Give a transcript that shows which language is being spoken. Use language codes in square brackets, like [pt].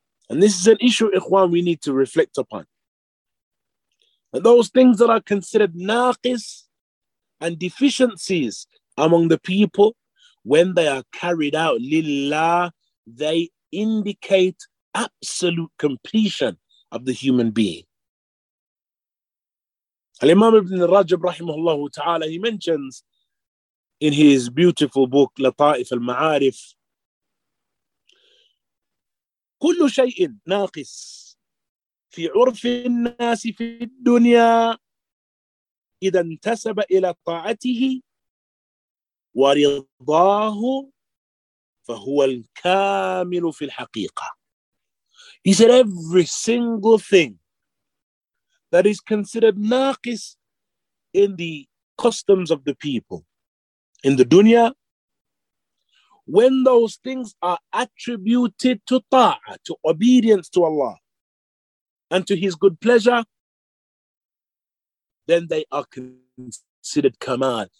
[en] And this is an issue, Ikhwan, we need to reflect upon. And those things that are considered naqis and deficiencies among the people, when they are carried out, lillah, they indicate absolute completion of the human being. Al-Imam Ibn Rajab, rahimahullah ta'ala, he mentions in his beautiful book, Lata'if al-Ma'arif, [ar] كل شيء ناقص في عرف الناس في الدنيا إذا انتسب إلى طاعته ورضاه فهو الكامل في الحقيقة. [en] He said every single thing that is considered naqis in the customs of the people in the dunya, when those things are attributed to ta'a, to obedience to Allah and to his good pleasure, then they are considered kamal.